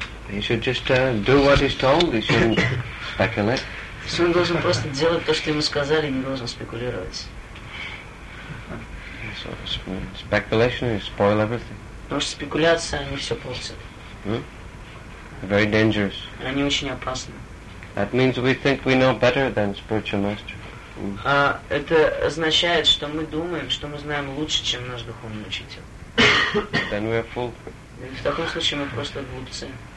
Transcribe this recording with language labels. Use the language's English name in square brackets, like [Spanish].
[English] You should just do what he's told. You shouldn't speculate. [Russian] Он должен просто делать то, что ему сказали, не должен спекулировать. [English] So, speculation is spoil everything. [Russian] Потому что спекуляция, они все портят. [English] Very dangerous. [Russian] Они очень опасны. [English] That means we think we know better than spiritual master. [Russian] Это означает, что мы думаем, что мы знаем лучше, чем наш духовный учитель. [English] Then we are fool. [Russian] В таком случае мы просто глупцы.